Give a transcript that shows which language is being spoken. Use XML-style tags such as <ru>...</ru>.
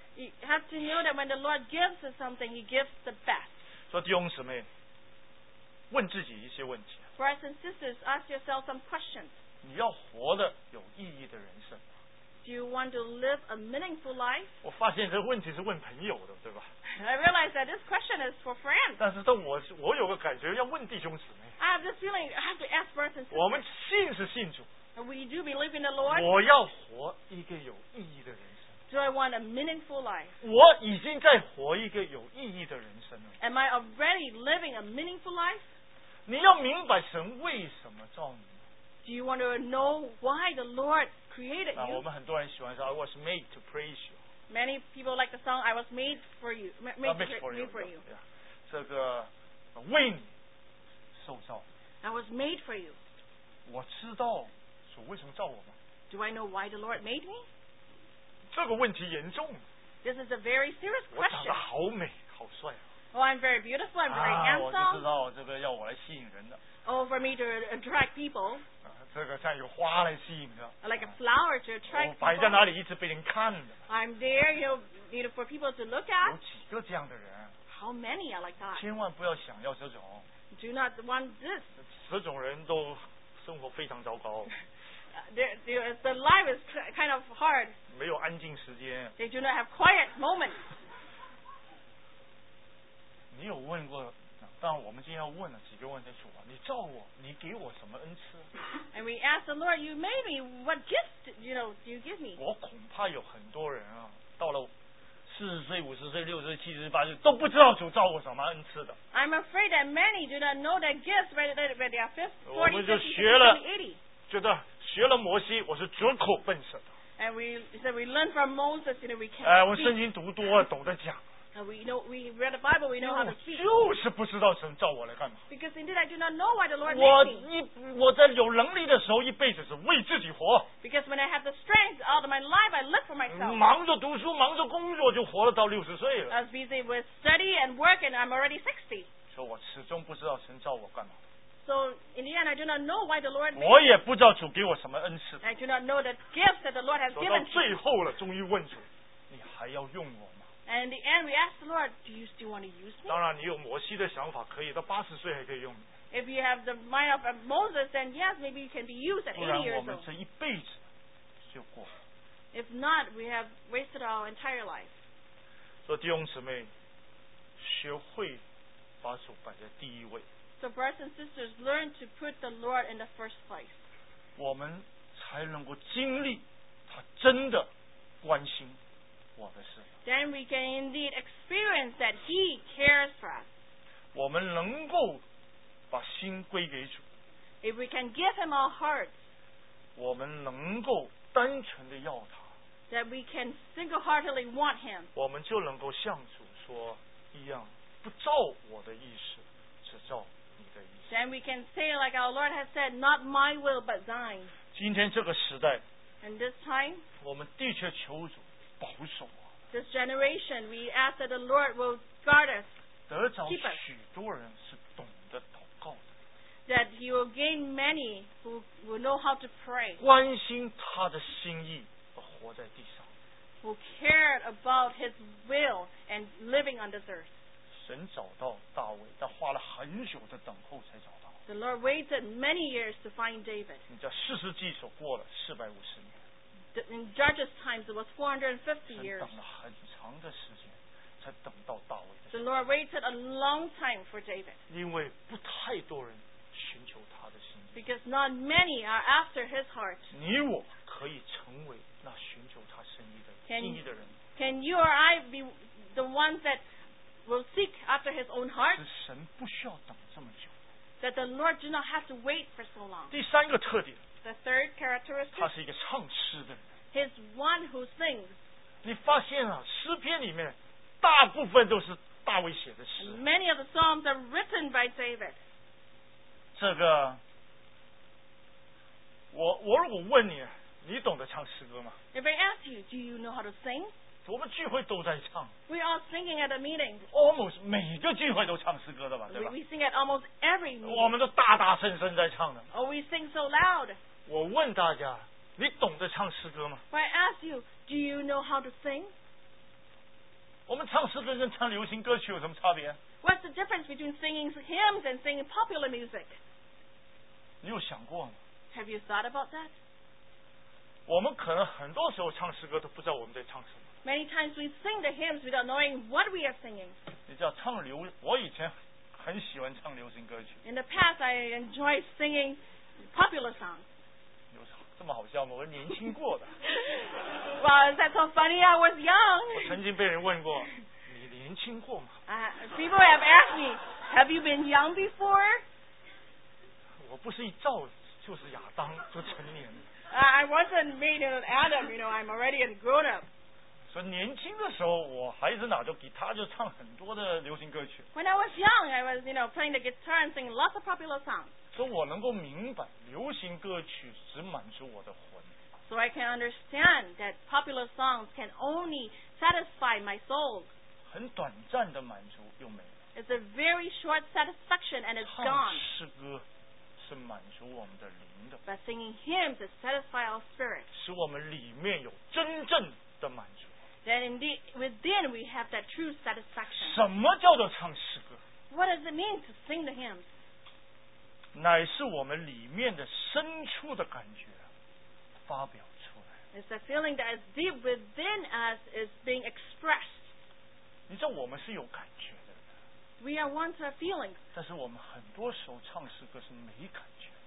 <en>You have to know that when the Lord gives us something, He gives the best.</en> <zh>说弟兄姊妹, 问自己一些问题。</zh> <en>Brothers and sisters, ask yourself some questions.</en> <zh>你要活得有意义的人生吗?</zh> <en>Do you want to live a meaningful life?</en> <zh>我发现这问题是问朋友的, 对吧?</zh> <en>I realize that this question is for friends.</en> <zh>但是我有个感觉要问弟兄姊妹。</zh> <en>I have this feeling, I have to ask brothers and sisters.</en> <zh>我们信是信主。</zh> <en>And we do believe in the Lord.</en> <zh>我要活一个有意义的人生。</zh> <en>Do I want a meaningful life?</en> <zh>我已经在活一个有意义的人生了。</zh> <en>Am I already living a meaningful life?</en> <zh>你要明白神为什么造你。</zh> <en>Do you want to know why the Lord created you?</en> <zh>我们很多人喜欢说</zh> <en>I was made to praise you. Many people like the song I was made for you. Made for you. Yeah.</en> <zh>这个为你受造。</zh> <en>I was made for you.</en> <zh>我知道主为什么造我吗?</zh> <en>Do I know why the Lord made me?</en> <zh>这个问题严重。</zh> <en>This is a very serious question.</en> <zh>我长得好美, 好帅啊。</zh> <en>Oh, I'm very beautiful, I'm very handsome.</en> <zh>我就知道这个要我来吸引人的。</zh> <en>Oh, for me to attract people.</en> <zh>这个像有花来吸引的。</zh> <en>Like a flower to attract people.</en> <zh>摆在哪里一直被人看的。</zh> <en>I'm there, you know, for people to look at.</en> <zh>有几个这样的人。</zh> <en>How many are like that?</en> <zh>千万不要想要这种。</zh> <en>Do not want this.</en> <zh>这种人都生活非常糟糕。</zh> <en>the life is kind of hard.</en> <zh>没有安静时间。</zh> <en>They do not have quiet moment.</en> <zh>你有问过？但我们今天要问了几个问题，主啊，你造我，你给我什么恩赐</zh> <en>？And we ask the Lord, you made me. What gift, you know, do you give me?</en> <zh>我恐怕有很多人啊，到了40岁、50岁、60岁、70岁、80岁，都不知道主造我什么恩赐的。</zh> <en>I'm afraid that many do not know that gifts when they are 50, 40,</en> <zh>我们就学了，觉得学了摩西，我是拙口笨舌的。</zh> <en>And we said we learn from Moses, you know, we can't.</en> <zh>哎，我圣经读多了，懂得讲。</zh> <en>We know we read the Bible. We know how to speak.</en> <zh>就是不知道神造我来干嘛。</zh> <en>Because indeed I do not know why the Lord made me.</en> <zh>我在有能力的时候，一辈子是为自己活。</zh> <en>Because when I have the strength out of my life, I live for myself.</en> <zh>忙着读书，忙着工作，就活了到60岁了。</zh> <en>I was busy with study and work, and I'm already 60.</en> <zh>所以我始终不知道神造我干嘛。</zh> <en>So in the end, I do not know why the Lord made me.</en> <zh>我也不知道主给我什么恩赐。</zh> <en>I do not know the gift that the Lord has given me.</en> <zh>到最后了，终于问主，你还要用我？</zh> <en>And in the end, we ask the Lord, "Do you still want to use me?"</en> <zh>当然，你有摩西的想法，可以到80岁还可以用。</zh> <en>If you have the mind of Moses, then yes, maybe you can be used at 80 years old.</en> <zh>不然，我们这一辈子就过了。</zh> <en>If not, we have wasted our entire life.</en> <zh>所以弟兄姊妹，学会把主摆在第一位。</zh> <en>So brothers and sisters, learn to put the Lord in the first place.</en> <zh>我们才能够经历他真的关心。</zh> <en>Then we can indeed experience that He cares for us.</en> <zh>我们能够把心归给主。</zh> <en>If we can give Him our hearts.</en> <zh>我们能够单纯的要他。</zh> <en>That we can single-heartedly want Him.</en> <zh>我们就能够像主说一样，不照我的意思，只照你的意思。</zh> <en>Then we can say like our Lord has said, "Not my will, but Thine."</en> <zh>今天这个时代</zh> <en>，And this time,</en> <zh>我们的确求主。</zh> <en>This generation, we ask that the Lord will guard us.</en> <zh>得着许多人是懂得祷告的。</zh> <en>That He will gain many who will know how to pray.</en> <zh>关心他的心意而活在地上。</zh> <en>Who cared about His will and living on this earth.</en> <zh>神找到大卫，但花了很久的等候才找到。</zh> <en>The Lord waited many years to find David.</en> <zh>你知道士师记所过了450年。</zh> <en>In Judges' times, it was 450 years. The Lord waited a long time for David. Because not many are after his heart. Can you or I be the ones that will seek after his own heart? That the Lord do not have to wait for so long. The third characteristic. He's one who sings.</en> <zh>你发现啊，诗篇里面大部分都是大卫写的诗。</zh> <en>Many of the psalms are written by David.</en> <zh>这个，我如果问你，你懂得唱诗歌吗</zh> <en>？If I ask you, do you know how to sing?</en> <zh>我们聚会都在唱。</zh> <en>We are singing at the meeting. Almost</en> <zh>每个聚会都唱诗歌的吧，对吧</zh> <en>？We sing at almost every meeting.</en> <zh>我们都大大声声在唱的。</zh> <en>Oh, we sing so loud.</en> <zh>我问大家。你懂得唱诗歌吗</zh> <en>？I ask you, do you know how to sing?</en> <zh>我们唱诗歌跟唱流行歌曲有什么差别</zh> <en>？What's the difference between singing hymns and singing popular music?</en> <zh>你有想过吗</zh> <en>？Have you thought about that?</en> <zh>我们可能很多时候唱诗歌都不知道我们在唱什么。</zh> <en>Many times we sing the hymns without knowing what we are singing.</en> <zh>你知道唱流，我以前很喜欢唱流行歌曲。</zh> <en>In the past, I enjoy singing popular songs.</en> <zh>这么好笑吗？我年轻过的。</zh> <en>Well, that's so funny. I was young.</en> <zh>我曾经被人问过，你年轻过吗？</zh> <en>People have asked me, "Have you been young before?"</en> <zh>我不是一照就是亚当，就成年。</zh> <en>I wasn't made of Adam. You know, I'm already a grown up.</en> <zh>所以年轻的时候，我孩子拿着吉他就唱很多的流行歌曲。</zh> <en>When I was young, I was, you know, playing the guitar and singing lots of popular songs.</en> <zh>所以我能够明白流行歌曲只满足我的魂</zh> <en>So I can understand that popular songs can only satisfy my soul</en> <zh>很短暂的满足又没了</zh> <en>It's a very short satisfaction and it's gone</en> <zh>唱诗歌是满足我们的灵的</zh> <en>But singing hymns is satisfy our spirit</en> <zh>使我们里面有真正的满足</zh> <en>Then indeed within we have that true satisfaction</en> <zh>什么叫做唱诗歌</zh> <en>What does it mean to sing the hymns?</en> <zh>乃是我们里面的深处的感觉。发表出来。</zh> <en>It's a feeling that is deep within us is being expressed.</en> <zh>你知道我们是有感觉的。</zh> <en>We are ones of feelings.</en> <zh>但是我们很多时候唱诗歌是没感觉。</zh>